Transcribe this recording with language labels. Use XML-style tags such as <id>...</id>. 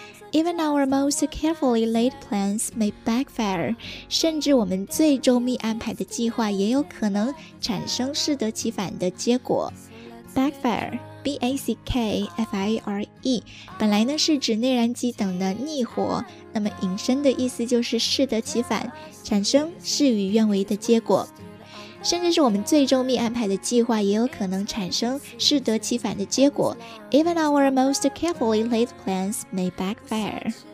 <en>Even our most carefully laid plans may backfire.</en> <zh>甚至我们最周密安排的计划也有可能产生适得其反的结果。 Backfire, B-A-C-K-F-I-R-E, 本来呢是指内燃机等的逆火，那么引申的意思就是适得其反，产生事与愿违的结果。甚至是我们最周密安排的计划也有可能产生适得其反的结果。</zh> <en>Even our most carefully laid plans may backfire.</en>